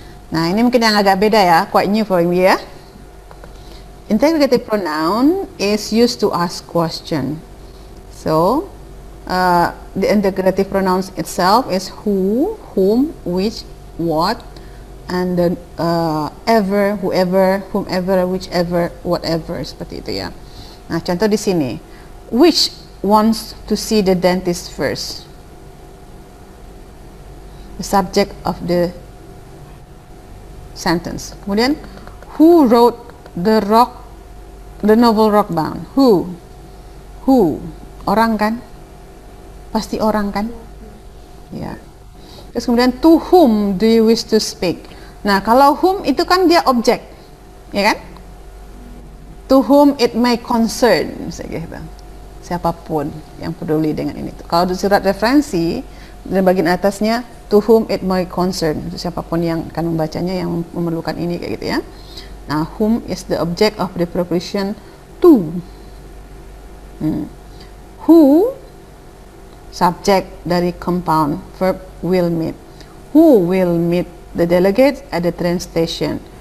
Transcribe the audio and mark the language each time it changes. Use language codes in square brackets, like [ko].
[id] Nah ini mungkin yang agak beda ya, [en] quite new for me [id] ya. [en] Interrogative pronoun is used to ask question. So the integrative pronouns itself is who, whom, which, what, and then ever, whoever, whomever, whichever, whatever, [id] seperti itu ya. Nah, contoh di sini. [en] Which wants to see the dentist first? The subject of the sentence. [id] Kemudian, [en] who wrote the novel Rockbound? Who? Who? [id] Orang kan? Pasti orang kan? Ya. [en] Yeah. [id] Terus kemudian [en] to whom do you wish to speak? [id] Nah, kalau whom itu kan dia objek. Ya kan? [en] To whom it may concern, [id] misalnya gitu. Siapapun yang peduli dengan ini. Kalau di surat referensi di bagian atasnya [en] to whom it may concern, [id] itu siapapun yang akan membacanya yang memerlukan ini kayak gitu ya. [en] Nah, whom is the object of the preposition to. Who subject [id] dari [en] compound verb will meet. Who will meet the delegates at the train station?